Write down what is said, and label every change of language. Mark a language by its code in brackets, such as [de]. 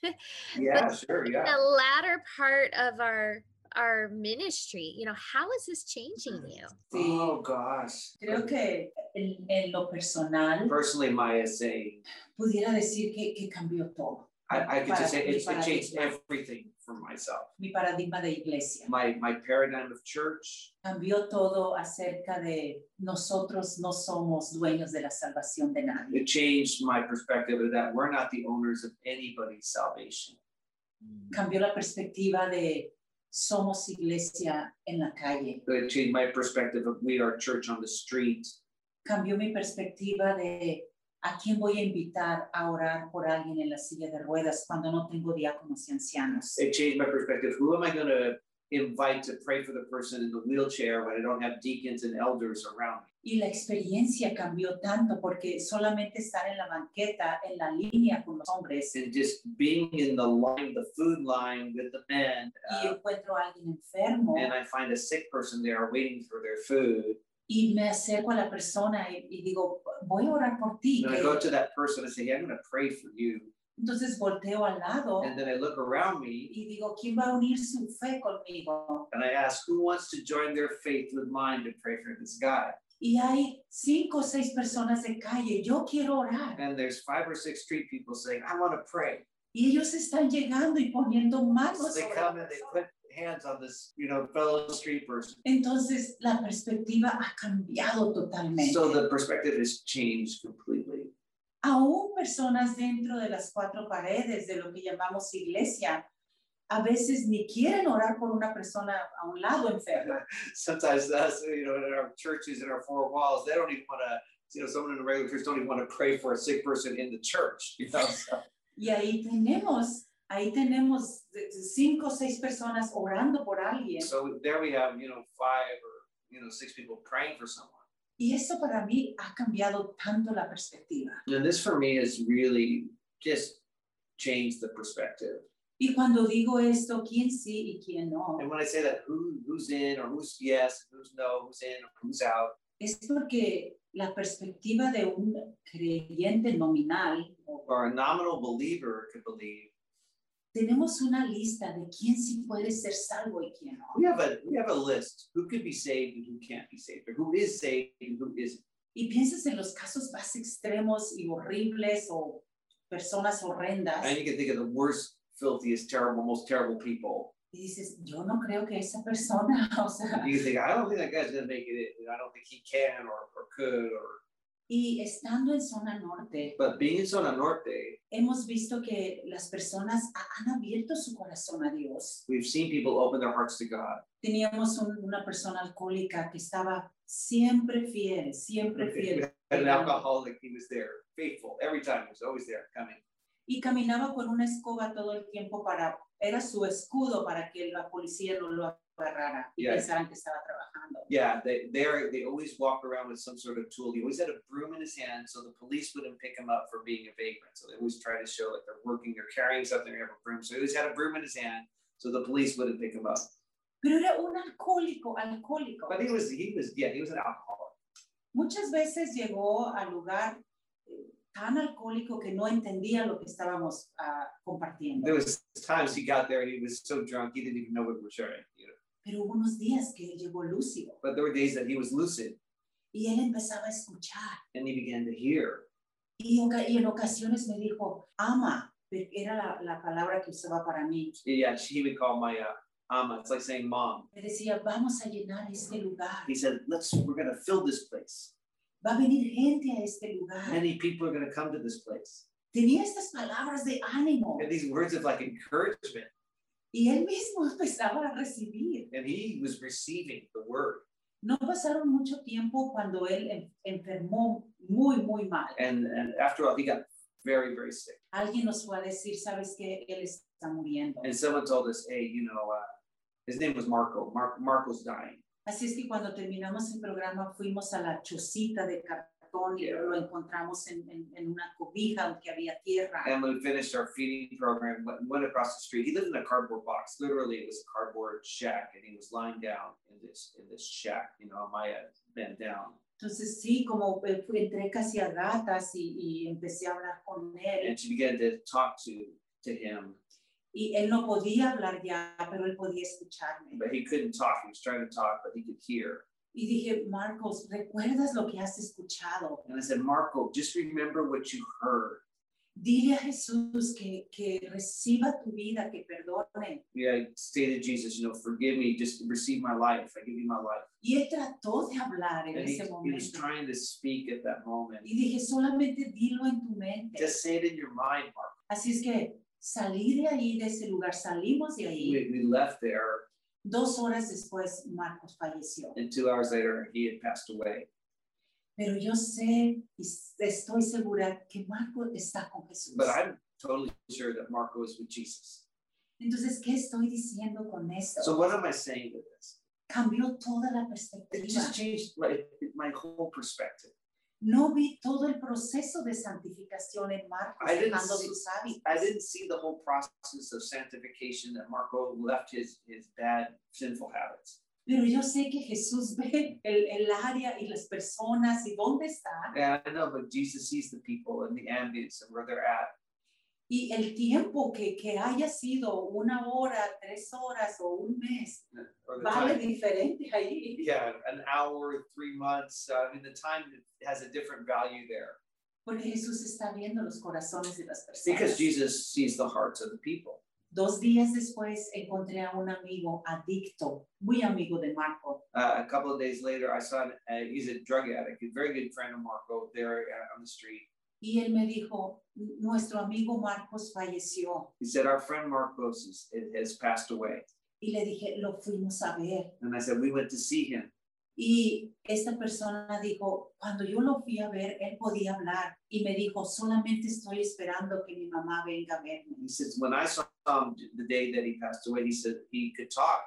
[en] The latter part of our ministry, you know, how is this changing you? Oh gosh. [es] Creo que en lo personal, [en] personally, Maya saying, [es] pudiera decir que cambió todo. [en] I could just say it changed everything for myself. [es] Mi paradigma de iglesia. [en] My paradigm of church. [es] Cambió todo acerca de nosotros no somos dueños de la salvación de nadie. [en] It changed my perspective of that we're not the owners of anybody's salvation. [es] Cambió la perspectiva de somos iglesia en la calle. [en] It changed my perspective of we are church on the street. [es] Cambió mi perspectiva de ¿a quién voy a invitar a orar por alguien en la silla de ruedas cuando no tengo diáconos y ancianos? [en] It changed my perspective. Who am I going to invite to pray for the person in the wheelchair when I don't have deacons and elders around me? [es] Y la experiencia cambió tanto porque solamente estar en la banqueta, en la línea con los hombres. [en] And just being in the line, the food line with the men. [es] Y encuentro a alguien enfermo. [en] And I find a sick person there waiting for their food. [es] Y me acerco a la persona y digo, voy a orar por ti. [en] And I go to that person and say, hey, I'm going to pray for you. [es] Entonces volteo al lado. [en] And then I look around me. [es] Y digo, ¿quién va a unir su fe conmigo? [en] And I ask, who wants to join their faith with mine to pray for this guy? [es] Y hay cinco o seis personas en calle. Yo quiero orar. [en] And there's five or six street people saying, I want to pray. [es] Y ellos están llegando y poniendo manos. [en] So they come and they put hands on this, you know, fellow street person. [es] Entonces, la perspectiva ha cambiado totalmente. [en] So the perspective has changed completely. [es] Aún personas dentro de las cuatro paredes de lo que llamamos iglesia, a veces ni quieren orar por una persona a un lado enferma. [en] Sometimes us, you know, in our churches, in our four walls, they don't even want to, you know, someone in a regular church don't even want to pray for a sick person in the church, you know. [es] Y ahí tenemos cinco o seis personas orando por alguien. [en] So there we have, you know, five or, you know, six people praying for someone. [es] Y eso para mí ha cambiado tanto la perspectiva. [en] And this for me has really just changed the perspective. [es] Y cuando digo esto, ¿quién sí y quién no? [en] And when I say that, who's in or who's yes, who's no, who's in or who's out. [es] Es porque la perspectiva de un creyente nominal. [en] Or a nominal believer could believe. [es] Tenemos una lista de quién sí puede ser salvo y quién no. [en] We have a list. Who could be saved and who can't be saved? Or who is saved and who isn't? [es] Y piensas en los casos más extremos y horribles o personas horrendas. [en] And you can think of the worst, filthiest, terrible, most terrible people. [es] Y dices, yo no creo que esa persona, o sea. [en] You can think, I don't think that guy's going to make it. I don't think he can or could or. [es] Y estando en zona norte, [en] but being in zona norte, [es] hemos visto que las personas han abierto su corazón a Dios. [en] We've seen people open their hearts to God. [es] Teníamos una persona alcohólica que estaba siempre fiel, siempre fiel. [en] An alcoholic, he was there, faithful, every time, he was always there, coming. [es] Y caminaba con una escoba todo el tiempo para, era su escudo para que la policía no lo agarrara y pensaran que estaba trabajando. [en] Yeah, they always walk around with some sort of tool. He always had a broom in his hand so the police wouldn't pick him up for being a vagrant. So they always try to show that they're working, they're carrying something, they have a broom. So he always had a broom in his hand so the police wouldn't pick him up. [es] Pero era un alcohólico. [en] But he was an alcoholic. [es] Muchas veces llegó al lugar tan alcohólico que no entendía lo que estábamos compartiendo. [en] There was times he got there and he was so drunk he didn't even know what we were sharing, you know. [es] Pero hubo unos días que él llegó lúcido. [en] But there were days that he was lucid. [es] Y él empezaba a escuchar. [en] And he began to hear. [es] Y en ocasiones me dijo, ama. Era la palabra que usaba para mí. [en] Yeah, he would call my ama. It's like saying mom. [es] Me decía, vamos a llenar este lugar. [en] He said, we're going to fill this place. [es] Va a venir gente a este lugar. [en] Many people are going to come to this place. [es] Tenía estas palabras de ánimo. [en] And these words of like encouragement. [es] Y él mismo empezaba a recibir. [en] And he was receiving the word. [es] No pasaron mucho tiempo cuando él enfermó muy, muy mal. [en] And after all, he got very, very sick. [es] Alguien nos fue a decir, ¿sabes qué? Él está muriendo. [en] And someone told us, hey, you know, his name was Marco. Marco's dying. [es] Así es que cuando terminamos el programa, fuimos a la chocita de cartón y lo encontramos en una cobija donde había tierra. [en] And we finished our feeding program, went across the street. He lived in a cardboard box. Literally, it was a cardboard shack, and he was lying down in this shack. You know, Amaya bent down. [es] Entonces, sí, como entré casi a gatas y empecé a hablar con él. [en] And she began to talk to him. [es] Y él no podía hablar ya, pero él podía escucharme. [en] But he couldn't talk. He was trying to talk, but he could hear. [es] Y dije, Marcos, ¿recuerdas lo que has escuchado? [en] And I said, Marco, just remember what you heard. [es] Dile a Jesús que reciba tu vida, que perdone. [en] Yeah, I stated, Jesus, you know, forgive me, just receive my life. I give you my life. [es] Y él trató de hablar en [en] and [es] ese momento. [en] He was trying to speak at that moment. [es] Y dije, solamente dilo en tu mente. [en] Just say it in your mind, Marco. [es] Así es que salí de ahí, de ese lugar, salimos de ahí. [en] We left there. [es] 2 horas después, Marcos falleció. [en] And 2 hours later, he had passed away. [es] Pero yo sé, estoy segura que Marco está con Jesús. [en] But I'm totally sure that Marco is with Jesus. [es] Entonces, ¿qué estoy diciendo con esto? [en] So what am I saying with this? [es] Cambió toda la perspectiva. [en] It just changed my whole perspective. [es] No vi todo el proceso de santificación en Marcos dejando sus hábitos. [en] I didn't see the whole process of sanctification that Marco left his bad, sinful habits. [es] Pero yo sé que Jesús ve el área y las personas y dónde está. [en] Yeah, I know, but Jesus sees the people and the ambience and where they're at. [es] Y el tiempo que haya sido una hora, 3 horas o un mes, vale diferente ahí. [en] Yeah, an hour, 3 months, I mean, the time has a different value there. [es] Porque Jesús está viendo los corazones de las personas. [en] Because Jesus sees the hearts of the people. [es] 2 días después, encontré a un amigo adicto, muy amigo de Marco. [en] A couple of days later, I saw he's a drug addict, a very good friend of Marco there on the street. [es] Y él me dijo, nuestro amigo Marcos falleció. [en] He said, our friend Marcos has passed away. [es] Y le dije, lo fuimos a ver. [en] And I said, we went to see him. [es] Y esta persona dijo, cuando yo lo fui a ver, él podía hablar. Y me dijo, solamente estoy esperando que mi mamá venga a verme. [en] He says, when I saw him the day that he passed away, he said, he could talk.